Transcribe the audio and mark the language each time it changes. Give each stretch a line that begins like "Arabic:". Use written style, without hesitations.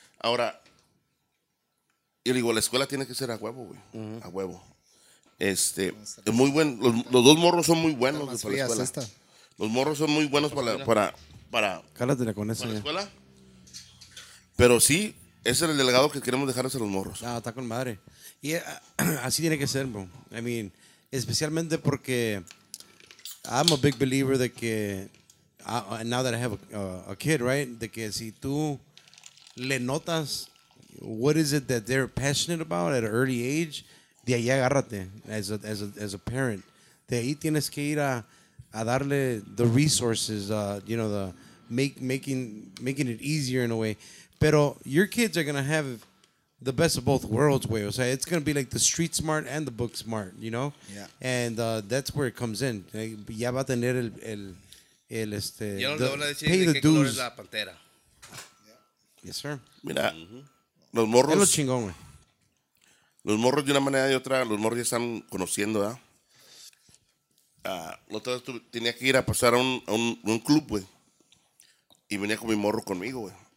Spanish: Ahora, yo digo, la escuela tiene que ser a huevo, güey. Uh-huh. A huevo. Es muy bueno. Los dos morros son muy buenos para la escuela. Esta. Los morros son muy buenos para cálatela con eso, para ya. La escuela. Pero sí, ese es el legado que queremos dejarles a los morros. Ah, está con madre. Y así tiene que ser, bro.
English: I mean,
Spanish: especialmente porque
English: I'm a big believer de que now that I have a kid, right?
Spanish: De que si tú le notas
English: what is it that they're passionate about at an early age,
Spanish: de ahí agárrate
English: as a parent.
Spanish: De ahí tienes que ir a darle
English: the resources, you know, the making it easier in a way. Pero your kids are going to have the best of both worlds way. So it's going to be like the street smart and the book smart, you know? Yeah. And that's where it comes in.
Spanish: Ya va a tener el este... Yo no le voy a decir de qué dues. Color es la pantera.
English: Yeah. Yes, sir.
Spanish: Mira, mm-hmm. Los morros... Es lo chingón, güey. Los morros de una manera y otra, los morros ya están conociendo, ¿verdad? La otra vez tenía que ir a pasar a un club, güey. Y venía con mi morro conmigo, güey.